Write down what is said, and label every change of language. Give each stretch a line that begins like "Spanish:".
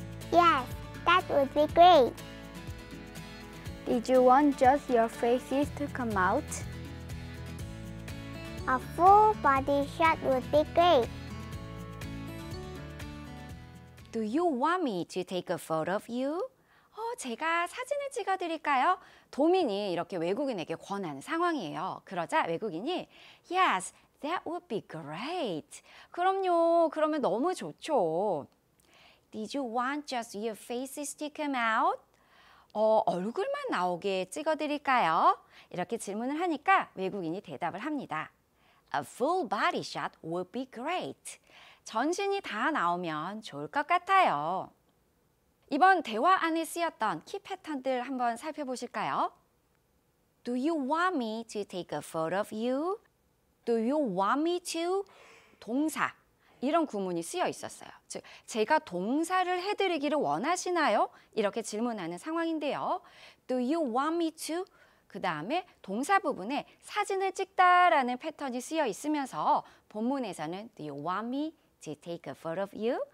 English: Yes, that would be great. Did you want just your faces to come out? A full body shot would be great. Do you want me to take a photo of you?
Korean: 제가 사진을 찍어드릴까요? 도민이 이렇게 외국인에게 권하는 상황이에요. 그러자 외국인이
English: Yes, That would be great.
Korean: 그럼요. 그러면 너무 좋죠.
English: Did you want just your faces to come out?
Korean: 얼굴만 나오게 찍어드릴까요? 이렇게 질문을 하니까 외국인이 대답을 합니다.
English: A full body shot would be great.
Korean: 전신이 다 나오면 좋을 것 같아요. 이번 대화 안에 쓰였던 키 패턴들 한번 살펴보실까요?
English: Do you want me to take a photo of you? Do you want me to? 동사
Korean: 이런 구문이 쓰여 있었어요. 즉, 제가 동사를 해드리기를 원하시나요? 이렇게 질문하는 상황인데요.
English: Do you want me to?
Korean: 그 다음에 동사 부분에 사진을 찍다 라는 패턴이 쓰여 있으면서 본문에서는
English: Do you want me to take a photo of you?